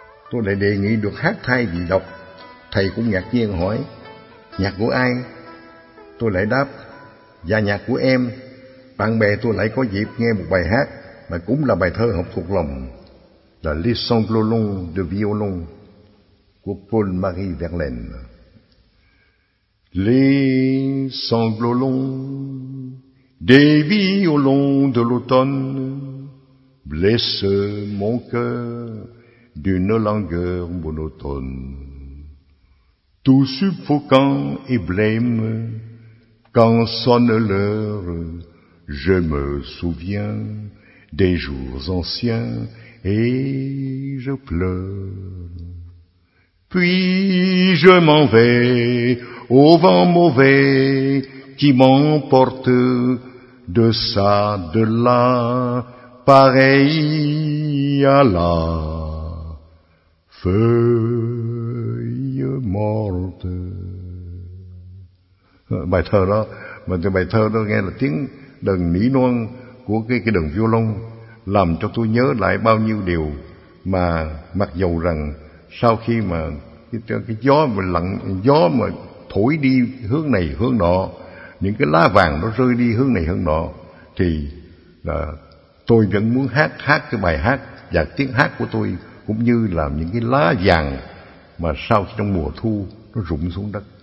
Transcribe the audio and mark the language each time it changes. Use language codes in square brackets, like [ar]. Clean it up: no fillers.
[vi] Tôi lại đề nghị được hát thay vị đọc, thầy cũng ngạc nhiên hỏi, nhạc của ai? Tôi lại đáp, và nhạc của em. Bạn bè tôi lại có dịp nghe một bài hát mà cũng là bài thơ học thuộc lòng, là Les Sanglots Longs de Violon của Paul Marie Verlaine. [fr] Les sanglots longs des violons de l'automne blessent mon cœur d'une langueur monotone, tout suffocant et blême. Quand sonne l'heure, je me souviens des jours anciens et je pleure. Puis je m'en vais au vent mauvais qui m'emporte de ça, de là, pareil à la feuille morte. [vi] Bài thơ đó, mà từ bài thơ đó nghe là tiếng đờn nỉ non của cái đờn violon làm cho tôi nhớ lại bao nhiêu điều, mà mặc dù rằng sau khi mà cái gió mà lặng, gió mà thổi đi hướng này hướng nọ, những cái lá vàng nó rơi đi hướng này hướng nọ, thì là tôi vẫn muốn hát hát cái bài hát, và tiếng hát của tôi cũng như là những cái lá vàng mà sau trong mùa thu nó rụng xuống đất.